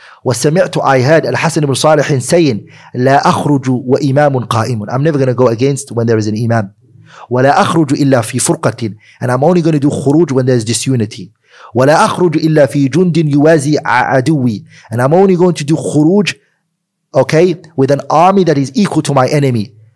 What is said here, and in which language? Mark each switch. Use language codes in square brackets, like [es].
[ar] وسمعت, [en] I heard [ar] الحسن بن صالح [en] saying, [ar] لا أخرج وإمام قائم. [en] I'm never going to go against when there is an imam. [ar] ولا أخرج إلا في فرقة. [en] And I'm only going to do خروج when there is disunity. [ar] ولا أخرج إلا في جند يوازي عدوي. [en] And I'm only going to do خروج, okay, with an army that is equal to my enemy.